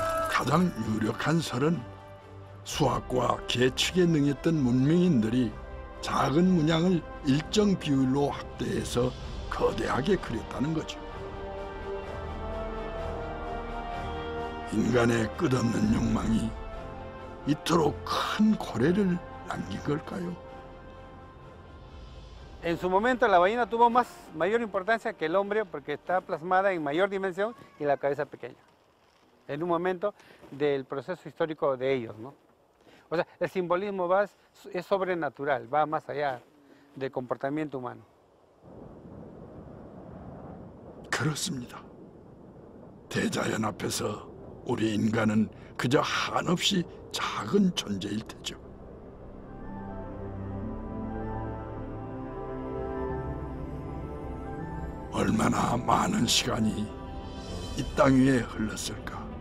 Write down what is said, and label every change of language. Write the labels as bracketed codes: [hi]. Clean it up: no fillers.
[ko] 가장 유력한 설은 수학과 계측에 능했던 문명인들이 작은 문양을 일정 비율로 확대해서 거대하게 그렸다는 거죠. 인간의 끝없는 욕망이 이토록 큰 고래를 남긴 걸까요? [es] En su momento la ballena tuvo más mayor importancia que el hombre porque está plasmada en mayor dimensión y la cabeza pequeña. En un momento del proceso histórico de ellos, ¿no? O sea, el simbolismo va es sobrenatural, va más allá del comportamiento humano. [ko] 그렇습니다. 대자연 앞에서 우리 인간은 그저 한없이 작은 존재일 테죠. 얼마나 많은 시간이 이 땅 위에 흘렀을까.